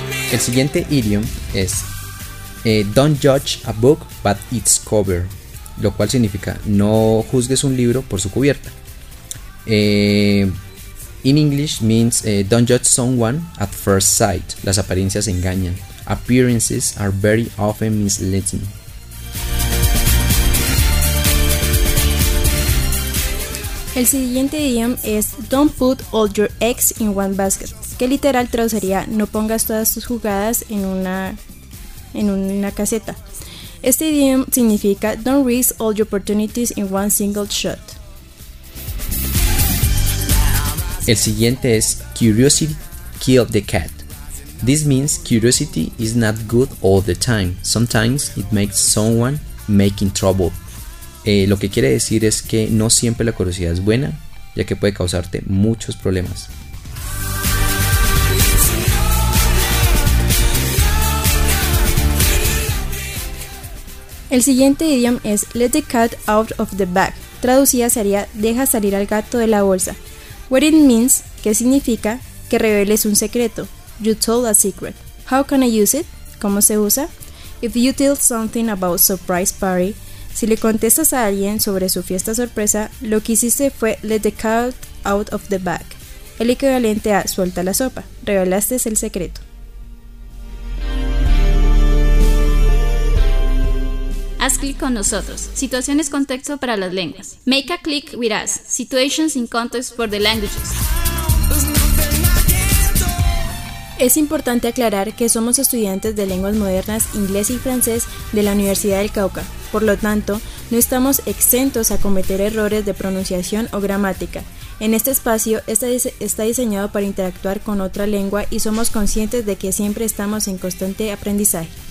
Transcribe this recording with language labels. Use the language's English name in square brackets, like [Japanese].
[Spanish] el siguiente idiom es [English] don't judge a book by its cover, [Spanish] lo cual significa no juzgues un libro por su cubierta. [English] In English means don't judge someone at first sight. [Spanish] Las apariencias engañan. [English] Appearances are very often misleading. [Spanish] El siguiente idiom es [English] don't put all your eggs in one basket, [Spanish] que literal traduciría no pongas todas tus jugadas en una caseta. Este idiom significa [English] don't risk all your opportunities in one single shot. [Spanish] El siguiente es [English] curiosity killed the cat. This means curiosity is not good all the time. Sometimes it makes someone making trouble. [Spanish] Lo que quiere decir es que no siempre la curiosidad es buena, ya que puede causarte muchos problemas. El siguiente idiom es [English] let the cat out of the bag. [Spanish] Traducida sería deja salir al gato de la bolsa. [English] What it means, [Spanish] que significa que reveles un secreto. [English] You told a secret. How can I use it? [Spanish] ¿Cómo se usa? [English] If you tell something about surprise party, [Spanish] si le contestas a alguien sobre su fiesta sorpresa, lo que hiciste fue [English] let the cat out of the bag, [Spanish] el equivalente a suelta la sopa, revelaste el secreto. Haz clic con nosotros, situaciones contexto para las lenguas. [English] Make a click with us, situations in context for the languages. [Spanish] Es importante aclarar que somos estudiantes de lenguas modernas, inglés y francés de la Universidad del Cauca. Por lo tanto, no estamos exentos a cometer errores de pronunciación o gramática. En este espacio está diseñado para interactuar con otra lengua y somos conscientes de que siempre estamos en constante aprendizaje.